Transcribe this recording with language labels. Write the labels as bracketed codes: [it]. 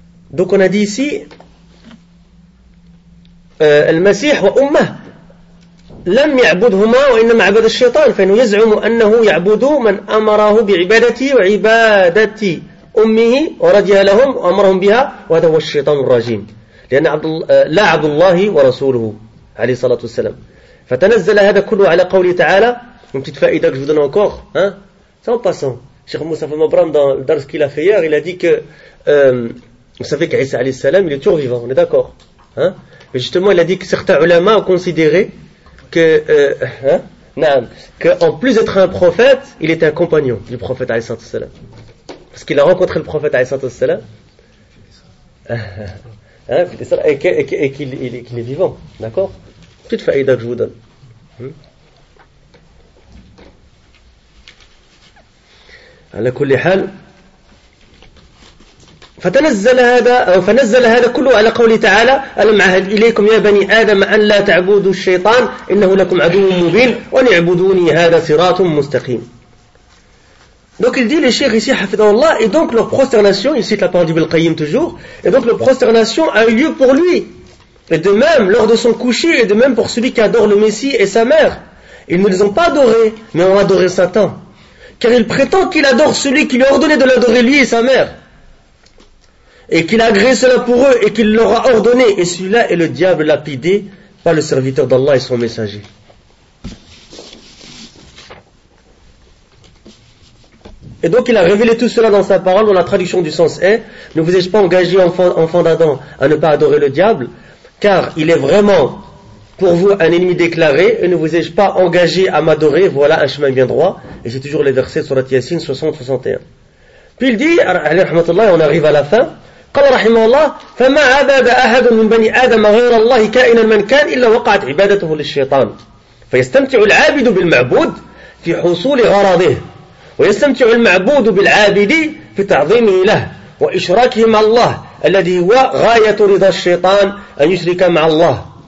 [fr] Donc on a dit ici [ar] المسيح وامه لم يعبدهما وانما عبد الشيطان فانه يزعم انه يعبد من امره بعبادته وعباده امه ورضي لهم وامرهم بها وهذا هو الشيطان الرجيم لان عبد الله ورسوله عليه الصلاه والسلام فتنزل هذا كله على قوله تعالى [fr] une petite faïda que je vous donne encore, hein, ça en passant. Cheikh Mustafa Mabram dans le dars qu'il a fait hier, il a dit que vous savez qu'Isa alayhi salam, il est toujours vivant, on est d'accord. Hein? Mais justement, il a dit que certains ulama ont considéré qu'en plus d'être un prophète, il était un compagnon du prophète alayhi salatu salam. Parce qu'il a rencontré le prophète alayhi salatu salam. Et qu'il est vivant, d'accord. Petite faïda que je vous donne. [ar] À la kulli hal. فنزل هذا كله على قوله تعالى ألم عهد إليكم يا بني آدم أن لا تعبدوا الشيطان إنه لكم عدو مبين وأن اعبدوني هذا صراط مستقيم. [fr] Donc il dit, les cheikhs ici, hafidhahu Allah, et donc leur prosternation, il cite la parole d'Ibn al-Qayyim toujours, et donc leur prosternation a eu lieu pour lui. Et de même, lors de son coucher, et de même pour celui qui adore le Messie et sa mère. Ils ne les ont pas adorés, mais ont adoré Satan. Car il prétend qu'il adore celui qui lui a ordonné de l'adorer lui et sa mère. Et qu'il a agréé cela pour eux, et qu'il leur a ordonné. Et celui-là est le diable lapidé, pas le serviteur d'Allah et son messager. Et donc il a révélé tout cela dans sa parole, dont la traduction du sens est « Ne vous ai-je pas engagé, enfant d'Adam, à ne pas adorer le diable, car il est vraiment pour vous un ennemi déclaré, et ne vous ai-je pas engagé à m'adorer, voilà un chemin bien droit. » Et c'est toujours les versets sur la Yassine 60-61. Puis il dit, alayhi rahmatullah, et on arrive à la fin, [ar] « قال رحمه الله فما عباد أحد من بني آدم غير الله كائنا من كان إلا وقعت عبادته للشيطان فيستمتع العابد بالمعبود في حصول غرضه ويستمتع المعبود بالعابد في تعظيمه له وإشراكه مع الله الذي هو غاية رضا الشيطان أن يشرك مع الله